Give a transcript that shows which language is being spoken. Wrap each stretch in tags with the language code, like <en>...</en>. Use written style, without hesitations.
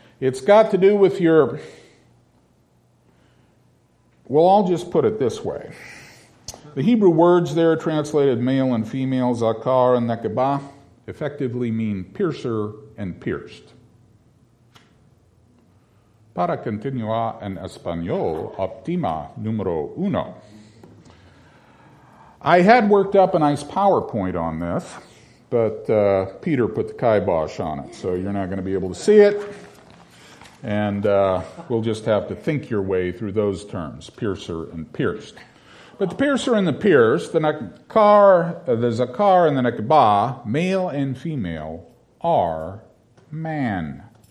<en>It's got to do with your... Well, I'll just put it this way. The Hebrew words there, translated male and female, zakar and nekabah, effectively mean piercer and pierced.</en> <es>Para continuar en español, optima número uno.</es> <en>I had worked up a nice PowerPoint on this, but Peter put the kibosh on it, so you're not going to be able to see it. And we'll just have to think your way through those terms, piercer and pierced. But the piercer and the pierced, the zakar and the nekabah, male and female, are man.</en>